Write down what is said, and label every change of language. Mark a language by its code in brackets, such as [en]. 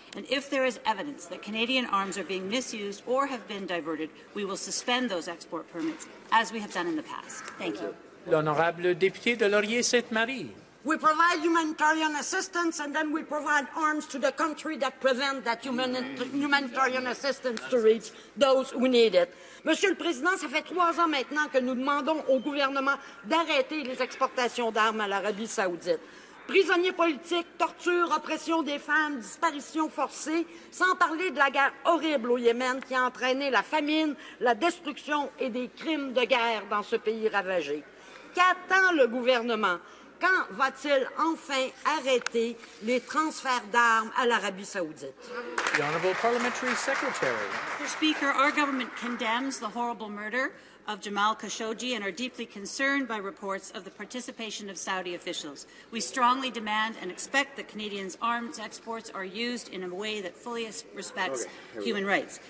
[en] And if there is evidence that Canadian arms are being misused or have been diverted, we will suspend those export permits, as we have done in the past. Thank you. [fr] L'honorable député de Laurier-Sainte-Marie. [en] We provide humanitarian assistance and then we provide arms to the country that prevent that humanitarian assistance to reach those who need it. [fr] Monsieur le Président, ça fait trois ans maintenant que nous demandons au gouvernement d'arrêter les exportations d'armes à l'Arabie saoudite. Prisonniers politiques, torture, oppression des femmes, disparitions forcées, sans parler de la guerre horrible au Yémen qui a entraîné la famine, la destruction et des crimes de guerre dans ce pays ravagé. Qu'attend le gouvernement? Quand va-t-il enfin arrêter les transferts d'armes à l'Arabie saoudite? [en] The Honourable Parliamentary Secretary. Mr. Speaker, our government condemns the horrible murder of Jamal Khashoggi and are deeply concerned by reports of the participation of Saudi officials. We strongly demand and expect that Canadians' arms exports are used in a way that fully respects human rights.